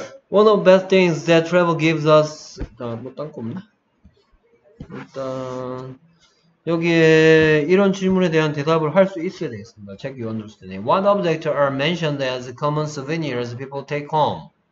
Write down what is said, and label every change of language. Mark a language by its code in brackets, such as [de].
[en] One of the best things that travel gives us. [ko] 아, 뭐 딴 거 없나? 일단 여기에 이런 질문에 대한 대답을 할 수 있어야 되겠습니다. [en] Check you understand. What objects are mentioned as common souvenirs people take home?